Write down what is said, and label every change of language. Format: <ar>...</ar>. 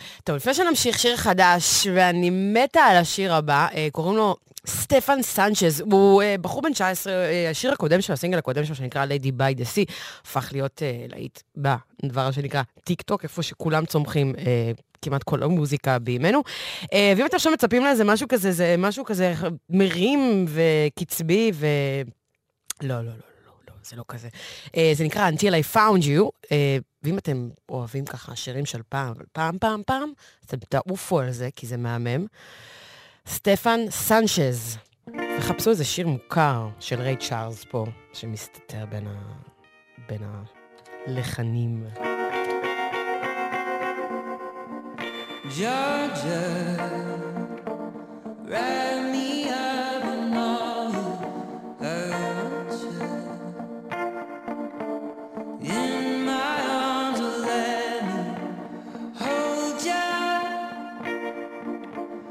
<he>טוב, לפני שנמשיך, שיר חדש, ואני מתה על השיר הבא, קוראים לו סטפן סנצ'ז, הוא בחור בן 19, השיר הקודם שלו, הסינגל הקודם שלו, שנקרא Lady by the Sea, הפך להיות להיט בדבר שנקרא טיק טוק, איפה שכולם צומחים כמעט כל המוזיקה בימינו. ואם אתם עכשיו מצפים לזה משהו כזה, זה משהו כזה מרים וקצבי ו... לא, לא, לא, לא, לא, זה לא כזה. זה נקרא Until I Found You. ואם אתם אוהבים ככה שירים של פעם, פעם, פעם, פעם, אז אתם תעופו על זה, כי זה מהמם. סטפן סנצ'ז. וחפשו איזה שיר מוכר של ריי צ'ארלס פה, שמסתתר בין, בין הלחנים.</he> <en>Georgia, write me up and all about you. In my arms, let me hold you.</en>